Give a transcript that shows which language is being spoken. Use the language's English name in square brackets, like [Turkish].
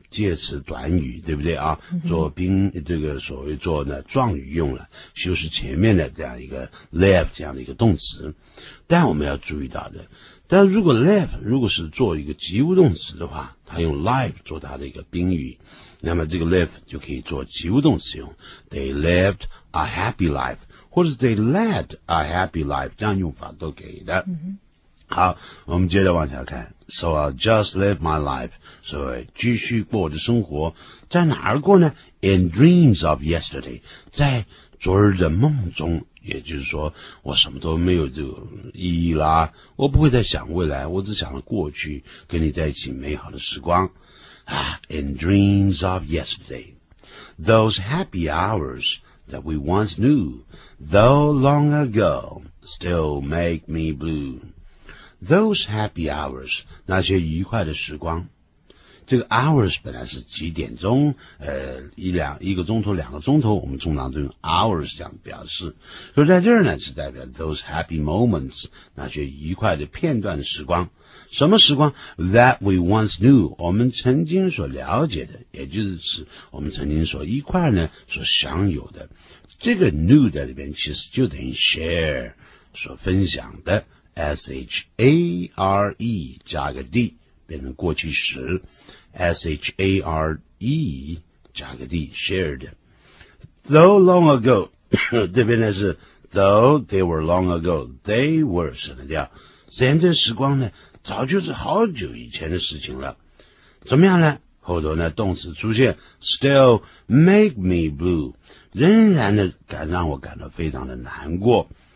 [Chinese] 介词短语，对不对啊？做宾这个所谓做呢状语用了，修饰前面的这样一个 left 这样的一个动词。但我们要注意到的，但如果 left 如果是做一个及物动词的话，它用 life 做它的一个宾语，那么这个 left 就可以做及物动词用。 [English] They left a happy life， [Chinese] 或者 [English] they led a happy life， [Chinese] 这样用法都可以的。好，我们接着往下看。 [English] So I'll just live my life， [Chinese] 所谓继续过我的生活，在哪儿过呢？ [English] In dreams of yesterday， [Chinese] 在昨日的梦中，也就是说我什么都没有这个意义啦，我不会再想未来，我只想了过去跟你在一起美好的时光啊。 [English] In dreams of yesterday， Those happy hours that we once knew， Though long ago still make me blueThose happy hours， [Chinese] 那些愉快的时光。这个 hours 本来是几点钟，一个钟头两个钟头，我们通常都用 hours 这样表示。所以在这儿呢是代表 [English] those happy moments， [Chinese] 那些愉快的片段的时光。什么时光？ [English] That we once knew， [Chinese] 我们曾经所了解的，也就是指我们曾经所一块呢所享有的。这个 knew 在里边其实就等于 share， 所分享的。 share 加个 d 变成过去时， share 加个 d shared。 [English] Though long ago [Chinese] 这边呢是 [English] though they were long ago， [Chinese] they were 省得掉，现在时光呢早就是好久以前的事情了。怎么样呢？后头呢动词出现 [English] still make me blue， [Chinese] 仍然呢敢让我感到非常的难过。